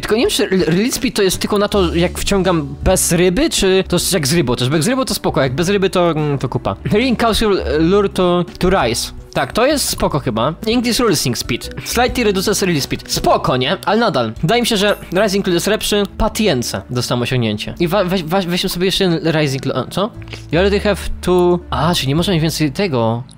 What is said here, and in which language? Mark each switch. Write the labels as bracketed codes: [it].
[pl] Tylko nie wiem, czy release speed to jest tylko na to, jak wciągam bez ryby, czy to jest jak z rybą też. Jak z rybą to spoko, jak bez ryby to kupa. [en] Ring causes your lure to rise. [pl] Tak, to jest spoko chyba. [en] Increase releasing speed. Slightly reduces release speed. [pl] Spoko, nie? Ale nadal. Wydaje mi się, że Rising Clue jest lepszy. Patience dostałem osiągnięcie. I weźmy sobie jeszcze jeden Rising Clue. Co? [en] You already have two... [pl] czyli nie można mieć więcej tego.